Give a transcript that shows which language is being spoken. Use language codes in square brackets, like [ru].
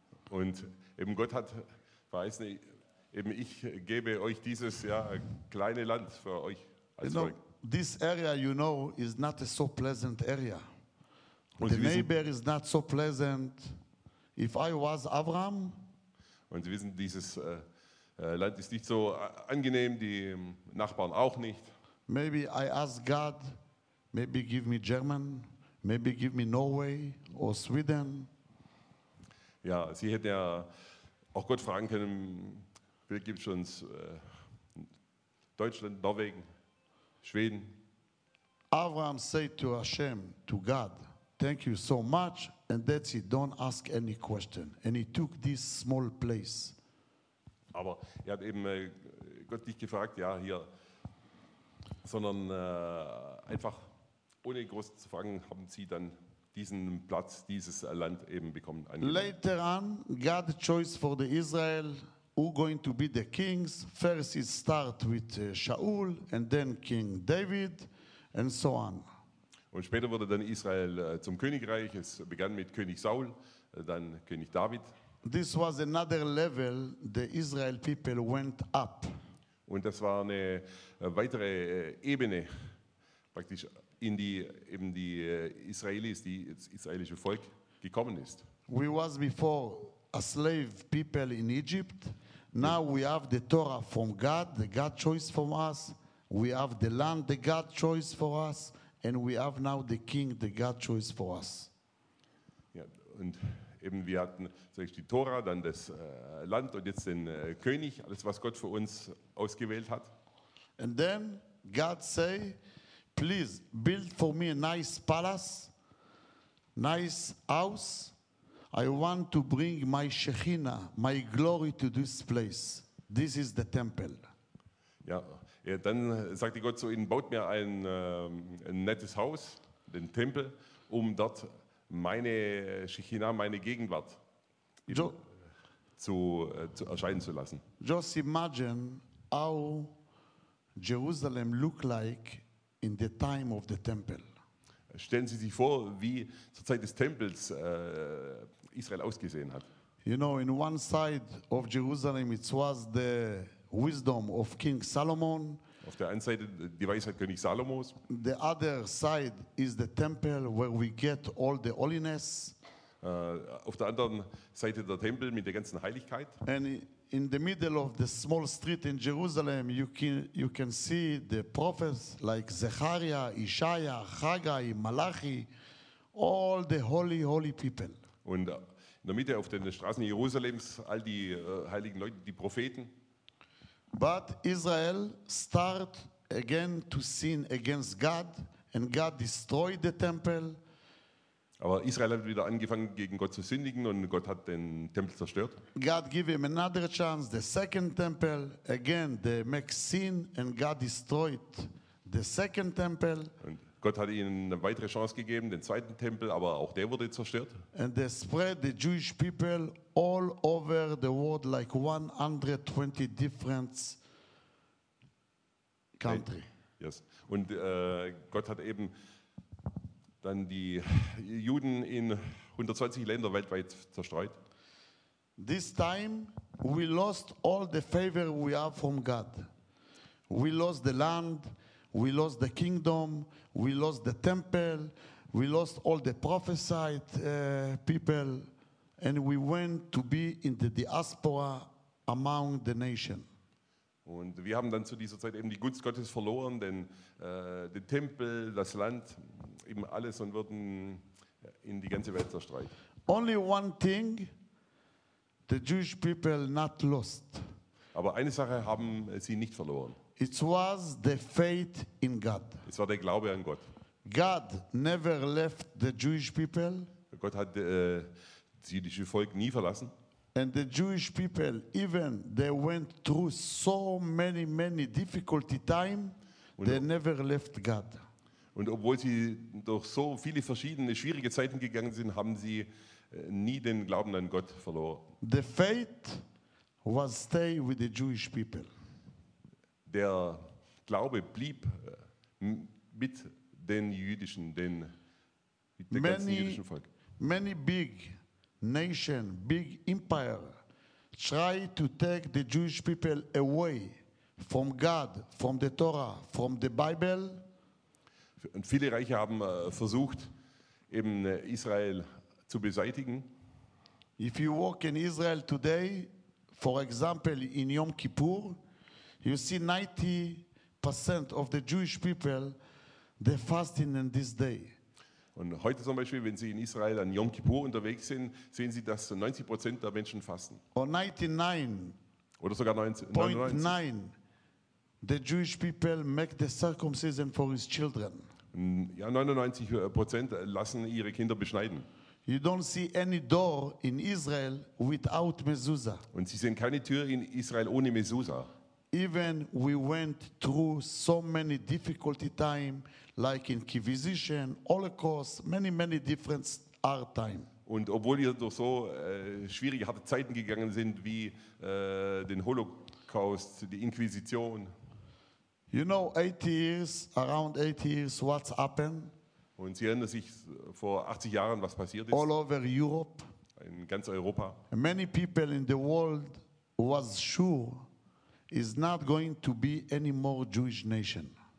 [de] Und eben Gott hat verheißen, eben ich gebe euch dieses ja, kleine Land für euch als Volk. [en] You know, this area, you know, is not a so pleasant area. [de] Und [en] the neighbor is not so pleasant. If I was Abraham, [de] und Sie wissen, dieses Land ist nicht so angenehm, die Nachbarn auch nicht. [en] Maybe I ask God, maybe give me German, maybe give me Norway or Sweden. [de] Ja, Sie hätten ja auch Gott fragen können, wer gibt es uns Deutschland, Norwegen, Schweden? [en] Abraham said to Hashem, to God, thank you so much. And that's it. Don't ask any question. And he took this small place. [de] Aber er hat eben Gott nicht gefragt, ja, hier, sondern einfach ohne groß zu fragen, haben sie dann diesen Platz, dieses Land eben bekommen. [en] Later on, God chose for the Israel who going to be the kings. First it start with Shaul and then King David and so on. [de] Und später wurde dann Israel zum Königreich. Es begann mit König Saul, dann König David. [en] This was another level the Israel people went up. [de] Und das war eine weitere Ebene, praktisch in die eben die Israelis, die das israelische Volk gekommen ist. [en] We was before a slave people in Egypt. Now we have the Torah from God, the God choice for us. We have the land, the God choice for us. And we have now the king, the God choice for us. [de] Ja, und eben wir hatten zuerst die Tora, dann das Land und jetzt den König, alles was Gott für uns ausgewählt hat. [en] And then God say, please build for me a nice palace, nice house. I want to bring my Shekhinah, my glory to this place. This is the temple. [de] Ja, ja, dann sagte Gott zu ihnen, baut mir ein nettes Haus, den Tempel, um dort meine Shekhinah, meine Gegenwart zu erscheinen zu lassen. [en] Just imagine how Jerusalem looked like in the time of the temple. [de] Stellen Sie sich vor, wie zur Zeit des Tempels Israel ausgesehen hat. [en] You know, in one side of Jerusalem it was the wisdom of King Solomon. [de] Auf der einen Seite die Weisheit König Salomos. [en] The other side is the temple where we get all the holiness. [de] Auf der anderen Seite der Tempel mit der ganzen Heiligkeit. [en] And in the middle of the small street in Jerusalem, you can see the prophets like Zechariah, Isaiah, Haggai, Malachi, all the holy, holy people. [de] Und in der Mitte auf den Straßen Jerusalems all die heiligen Leute, die Propheten. [en] But Israel start again to sin against God, and God destroyed the temple. [de] Aber Israel hat wieder angefangen, gegen Gott zu sündigen, und Gott hat den Tempel zerstört. [en] God gave him another chance, the second temple. Again, they make sin, and God destroyed the second temple. [de] Und Gott hat ihnen eine weitere Chance gegeben, den zweiten Tempel, aber auch der wurde zerstört. [en] And they spread the Jewish people all over the world like 120 different countries. Yes. [de] Und Gott hat eben dann die Juden in 120 Länder weltweit zerstreut. [en] This time we lost all the favor we have from God. We lost the land, we lost the kingdom, we lost the temple, we lost all the prophesied people, and we went to be in the diaspora among the nation. [de] Und wir haben dann zu dieser Zeit eben die Gunst Gottes verloren, denn den Tempel, das Land, eben alles, und wurden in die ganze Welt zerstreut. [en] Only one thing the Jewish people not lost. [de] Aber eine Sache haben sie nicht verloren. [en] It was the faith in God. [de] Es war der Glaube an Gott. [en] God never left the Jewish people. [de] Gott hat das jüdische Volk nie verlassen. [en] And the Jewish people, even they went through so many, many difficult times, they never left God. [de] Und obwohl sie durch so viele verschiedene schwierige Zeiten gegangen sind, haben sie nie den Glauben an Gott verloren. [en] The faith was stay with the Jewish people. [de] Der Glaube blieb mit den jüdischen, mit dem ganzen jüdischen Volk. [en] Many big nation, big empire try to take the Jewish people away from God, from the Torah, from the Bible. [de] Und viele Reiche haben versucht, eben Israel zu beseitigen. [en] If you walk in Israel today, for example in Yom Kippur, you see 90% of the Jewish people, they fasting in this day. [de] Und heute zum Beispiel, wenn Sie in Israel an Yom Kippur unterwegs sind, sehen Sie, dass 90% der Menschen fasten. [en] Or 99. [de] Oder sogar 99. [en] The Jewish people make the circumcision for his children. [de] Ja, 99% lassen ihre Kinder beschneiden. [en] You don't see any door in Israel without mezuzah. [de] Und sie sehen keine Tür in Israel ohne mezuzah. [en] Even we went through so many difficult times, like Inquisition, Holocaust, many, many different hard times. [de] Und obwohl wir durch so schwierige, harte Zeiten gegangen sind, wie den Holocaust, die Inquisition. [en] You know, 80 years, around 80 years, what's happened? [de] Und Sie erinnern sich vor 80 Jahren, was passiert ist? [en] All over Europe. [de] In ganz Europa. [en] Many people in the world was sure is not going to be any more Jewish nation.